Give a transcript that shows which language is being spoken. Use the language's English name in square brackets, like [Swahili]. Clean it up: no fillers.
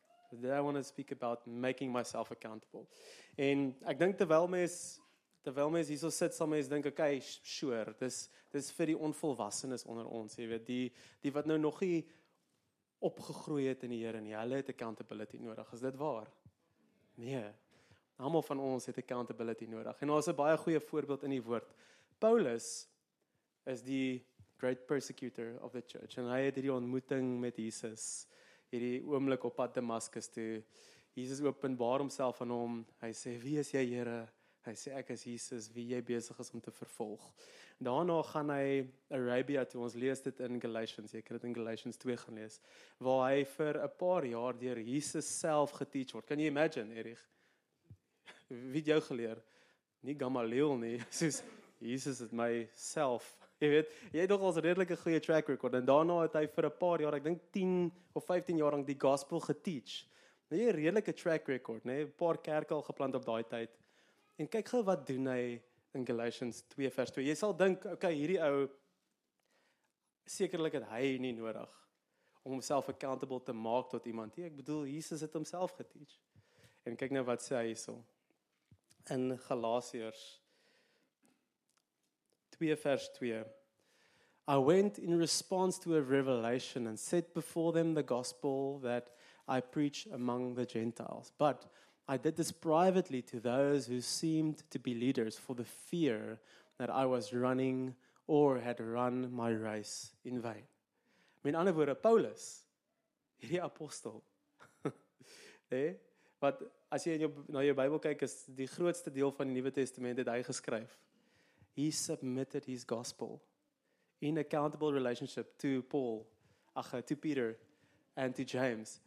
[English] Today I want to speak about making myself accountable. [Afrikaans] En ek dink terwyl mens hierso sit, sal mens dink, okay, sure, dis vir die onvolwassenes onder ons, jy weet, die wat nou nog nie opgegroei het in die Here nie, hulle het accountability nodig. Is dit waar? Nee. Almal van ons het accountability nodig. En ons het 'n baie goeie voorbeeld in die woord. [English] Paulus [Afrikaans] is die [English] great persecutor of the church. [Afrikaans] En hy het hierdie ontmoeting met Jesus, hierdie oomblik op pad Damascus toe. Jesus openbaar homself aan hom. Hy sê, wie is jy, Here? Hy sê, ek is Jesus, wie jy besig is om te vervolg. Daarna gaan hy Arabia toe. Ons lees dit in Galatians. Jy kan dit in Galatians 2 gaan lees. Waar hy vir 'n paar jaar deur Jesus self geteach word. Kan jy imagine, Erich? Wie het jou geleer? Nie Gamaliel nie, soos Jesus het myself. Jy weet, jy het nog als redelike goeie track record, en daarna het hy vir 'n paar jaar, ek dink 10 of 15 jaar lang die gospel geteach. Nou jy redelike track record, nee, 'n paar kerke al geplant op daai tyd. En kyk gou wat doen hy in Galatians 2 vers 2. Jy sal dink, okay, hierdie ou, sekerlik het hy nie nodig om homself accountable te maak tot iemand. Nee, ek bedoel, Jesus het homself geteach. En kyk nou wat sê hy so. In Galatians 2 vers 2. [English] I went in response to a revelation and set before them the gospel that I preach among the Gentiles. But I did this privately to those who seemed to be leaders for the fear that I was running or had run my race in vain. [Afrikaans] In ander woorde, Paulus, hierdie apostel, wat as jy na jou Bybel kyk, is die grootste deel van die Nuwe Testament het hy geskryf. [English] He submitted his gospel in accountable relationship to Paul, to Peter and to James.